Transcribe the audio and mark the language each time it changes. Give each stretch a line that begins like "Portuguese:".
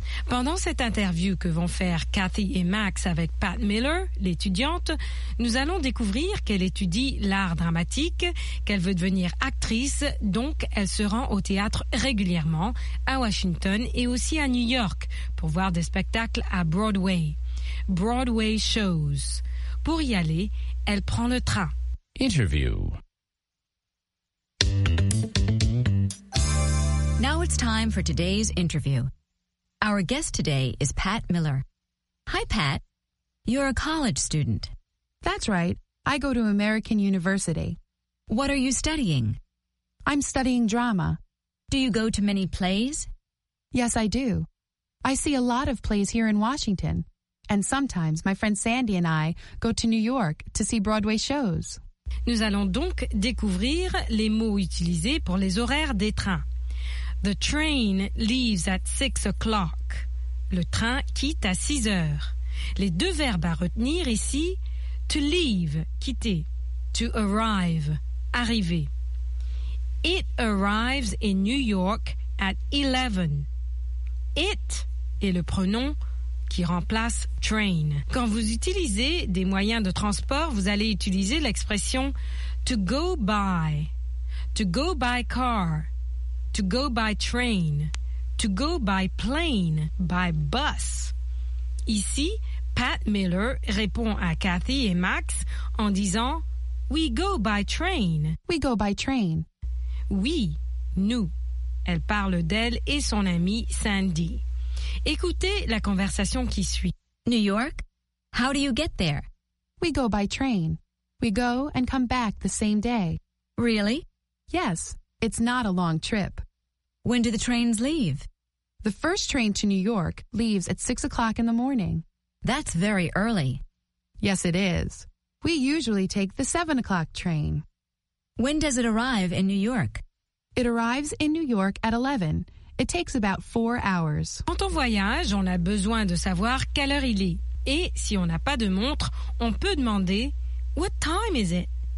French: Pendant cette interview que vont faire Kathy et Max avec Pat Miller, l'étudiante, nous allons découvrir qu'elle étudie l'art dramatique, qu'elle veut devenir actrice, donc elle se rend au théâtre régulièrement, à Washington et aussi à New York, pour voir des spectacles à Broadway.
English: Broadway shows.
French: Pour y aller, elle prend le train.
English: Interview. Now it's time for today's interview. Our guest today is Pat Miller. Hi, Pat. You're a college student. That's right. I go to American University. What are you studying? I'm studying drama. Do you go to many plays? Yes, I do. I see a lot of plays here in Washington. And sometimes my friend Sandy and I go to New York to see Broadway shows.
French: Nous allons donc découvrir les mots utilisés pour les horaires des trains.
English: The train leaves at 6 o'clock.
French: Le train quitte à 6 heures. Les deux verbes à retenir ici,
English: to leave,
French: quitter,
English: to arrive,
French: arriver.
English: It arrives in New York at 11.
French: It est le pronom qui remplace train. Quand vous utilisez des moyens de transport, vous allez utiliser l'expression
English: to go by car, to go by train, to go by plane, by bus.
French: Ici, Pat Miller répond à Kathy et Max en disant
English: we go by train. We go by train.
French: Oui, nous. Elle parle d'elle et son ami Sandy. Écoutez la conversation qui suit.
English: New York? How do you get there? We go by train. We go and come back the same day. Really? Yes, it's not a long trip. When do the trains leave? The first train to New York leaves at 6 o'clock in the morning. That's very early. Yes, it is. We usually take the 7 o'clock train. When does it arrive in New York? It arrives in New York at 11. It takes about 4 hours.
French: Quand on voyage, on a besoin de savoir quelle heure il est. Et si on n'a pas de montre, on peut demander,
English: What time is it?